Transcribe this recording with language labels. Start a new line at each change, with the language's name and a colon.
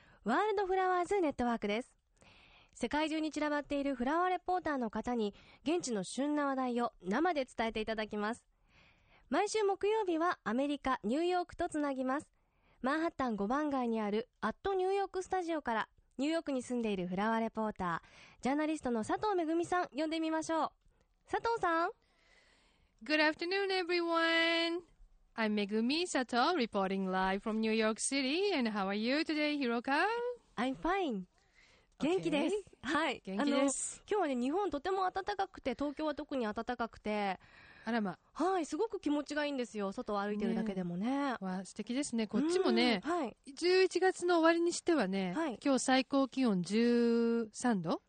Japanese: ワールドフラワーズネットワークです。世界中に散らばっているフラワーレポーターの方に現地の旬な話題を生で伝えていただきます。毎週木曜日はアメリカ、ニューヨークとつなぎます。マンハッタン5番街にあるアットニューヨークスタジオからニューヨークに住んでいるフラワーレポーター、ジャーナリストの佐藤めぐみさん呼んでみましょう。佐藤さん。
English: Good afternoon, everyone. I'm Megumi Sato, reporting live from New York City. And how are you today, Hiroka? I'm fine.
Japanese: 元気です。はい。元気です。今日はね、日本とても暖かくて、東京は特に暖かくて。あらま。はい、すごく気持ちがいいんですよ。外を歩いてるだけでもね。ね、わ、素敵ですね。こっちもね、はい、11月の終わりにしてはね、はい、今日最高気温13度。